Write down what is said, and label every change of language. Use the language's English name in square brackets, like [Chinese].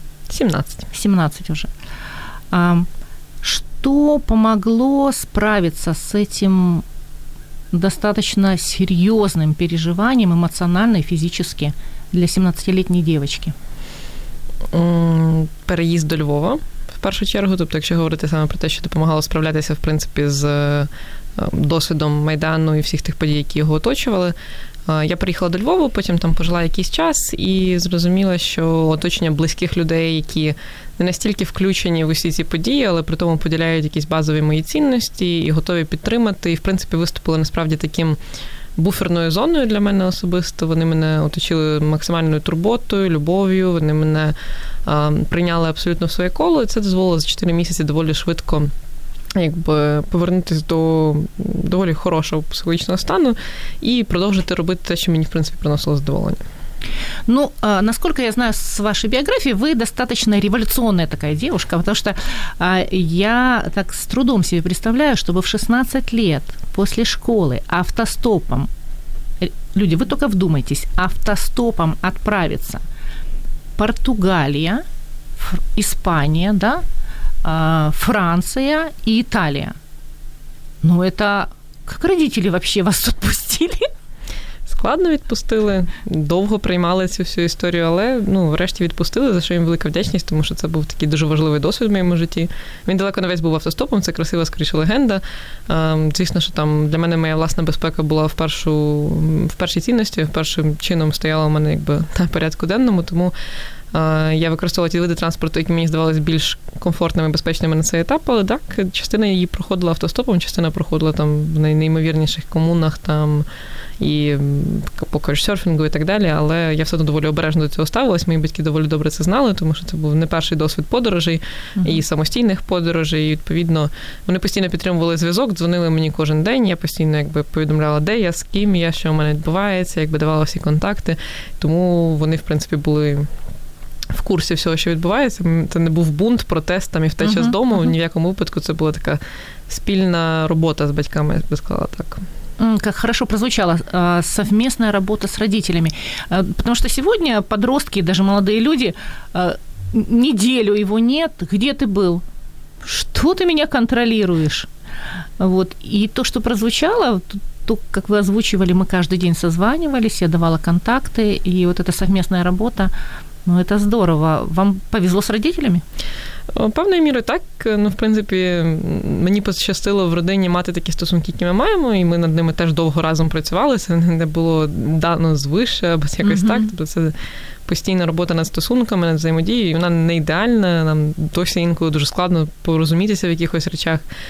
[Russian] 17. 17 уже. Что помогло справиться с этим достаточно серьезным переживанием эмоционально и физически для 17-летней девочки? [Ukrainian] Переїзд до Львова. В першу чергу, тобто, якщо говорити саме про те, що допомагало справлятися, в принципі, з досвідом Майдану і всіх тих подій, які його оточували, я приїхала до Львова, потім там пожила якийсь час і зрозуміла, що оточення близьких людей, які не настільки включені в усі ці події, але при тому поділяють якісь базові мої цінності і готові підтримати, і, в принципі, виступили насправді таким буферною зоною для мене особисто. Вони мене оточили максимальною турботою, любов'ю, вони мене прийняли абсолютно в своє коло, і це дозволило за 4 місяці доволі швидко якби повернутися до доволі хорошого психологічного стану і продовжити робити те, що мені, в принципі, приносило задоволення. [Russian] Ну, насколько я знаю с вашей биографии, вы достаточно революционная такая девушка, потому что я так с трудом себе представляю, чтобы в 16 лет после школы автостопом, люди, вы только вдумайтесь, автостопом отправиться Португалия, Испания, да, Франция и Италия. Ну, это как родители вообще вас тут пустили? [Ukrainian] Складно відпустили, довго приймали цю всю історію, але, ну, врешті відпустили, за що їм велика вдячність, тому що це був такий дуже важливий досвід в моєму житті. Він далеко не весь був автостопом, це красива, скоріше, легенда. Звісно, що там для мене моя власна безпека була в першій цінності, першим чином стояла в мене, якби, на порядку денному, тому я використовувала ті види транспорту, які мені здавались більш комфортними, безпечними на цей етап, але так, частина її проходила автостопом, частина проходила там в найімовірніших комунах там і по кочсерфінгу і так далі, але я все одно доволі обережно до цього ставилась, мої батьки доволі добре це знали, тому що це був не перший досвід подорожей і самостійних подорожей, і відповідно вони постійно підтримували зв'язок, дзвонили мені кожен день, я постійно якби повідомляла, де я, з ким я, що у мене відбувається, якби давала всі контакти, тому вони, в принципі, були в курсі всього, що відбувається. Це не був бунт, протест там, і втеча з дому. Ні в якому випадку це була така спільна робота з батьками, я би сказала так. [Russian] Как хорошо прозвучало, совместная работа с родителями. Потому что сегодня подростки, даже молодые люди, неделю его нет, где ты был? Что? Чего ты меня контролируешь? Вот. И то, что прозвучало, то, как вы озвучивали, мы каждый день созванивались, я давала контакты, и вот эта совместная работа, ну, это здорово. Вам повезло с родителями? [Ukrainian] Певною мірою так. Ну, в принципі, мені пощастило в родині мати такі стосунки, які ми маємо, і ми над ними теж довго разом працювали. Це не було дано звище або якось так. Тобто це постійна робота над стосунками, над взаємодією, і вона не ідеальна. Нам досі інколи дуже складно порозумітися в якихось речах.